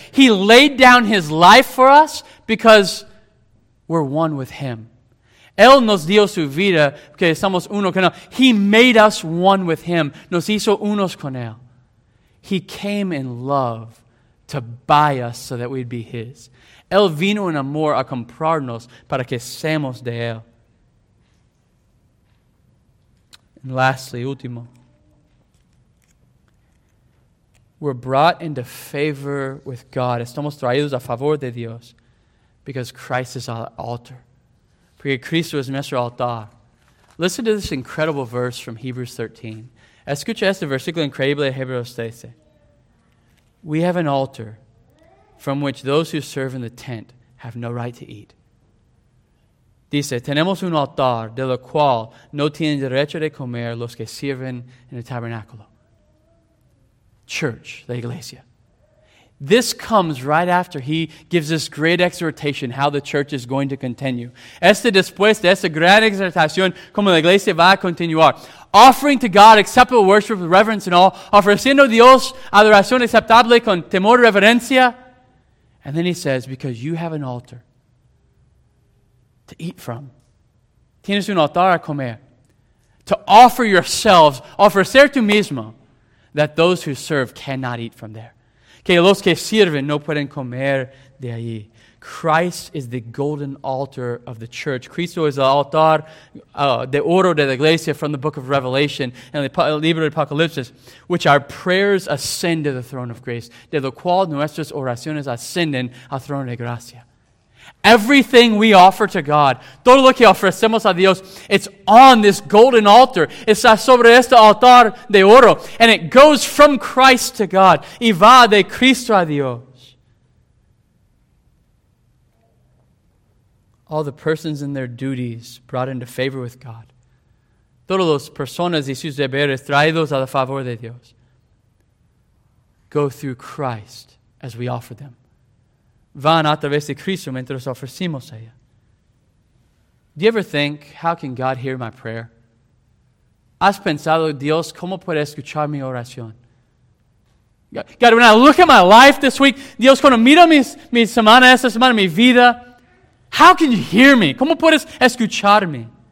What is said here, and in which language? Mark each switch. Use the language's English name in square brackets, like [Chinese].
[English] He laid down His life for us because we're one with Him. [Spanish] Él nos dio su vida porque somos uno con Él. [English] He made us one with Him. [Spanish] Nos hizo unos con Él. [English] He came in love to buy us so that we'd be His. [Spanish] Él vino en amor a comprarnos para que seamos de Él. [English] And lastly, [Spanish] último. [English] We're brought into favor with God. [Spanish] Estamos traídos a favor de Dios [English] because Christ is our altar. [Spanish] Porque Cristo es nuestro altar. [English] Listen to this incredible verse from Hebrews 13. [Spanish] Escucha este versículo increíble de Hebreos 13. [English] We have an altar from which those who serve in the tent have no right to eat. [Spanish] Dice, tenemos un altar de lo cual no tienen derecho de comer los que sirven en el tabernáculo. Church, la iglesia. [English] This comes right after he gives this great exhortation how the church is going to continue. [Spanish] Este después de esta gran exhortación, como la iglesia va a continuar. [English] Offering to God acceptable worship with reverence and all, [Spanish] ofreciendo a Dios adoración aceptable con temor y reverencia. [English] And then he says, because you have an altar to eat from. [Spanish] Tienes un altar a comer. [English] To offer yourselves, [Spanish] ofrecer tú mismo, [English] that those who serve cannot eat from there. [Spanish] Que los que sirven no pueden comer de allí. [English] Christ is the golden altar of the church. [Spanish] Cristo es el altar de oro de la iglesia [English] from the book of Revelation and the [Spanish] libro de Apocalipsis, [English] which our prayers ascend to the throne of grace, [Spanish] de lo cual nuestras oraciones ascienden al trono de gracia. [English] Everything we offer to God, [Spanish] todo lo que ofrecemos a Dios, [English] it's on this golden altar. [Spanish] Está sobre este altar de oro. [English] And it goes from Christ to God. [Spanish] Y va de Cristo a Dios. [English] All the persons and their duties brought into favor with God. [Spanish] Todas las personas y sus deberes traídos a favor de Dios. [English] Go through Christ as we offer them. [Spanish] Van a través de Cristo mientras ofrecimos a ella. [English] Do you ever think, how can God hear my prayer? [Spanish] ¿Has pensado, Dios, cómo puede escuchar mi oración? [English] God, when I look at my life this week, [Spanish] Dios, cuando miro mi semana, esta semana, mi vida, [English] how can you hear me? [Spanish] ¿Cómo puedes escucharme?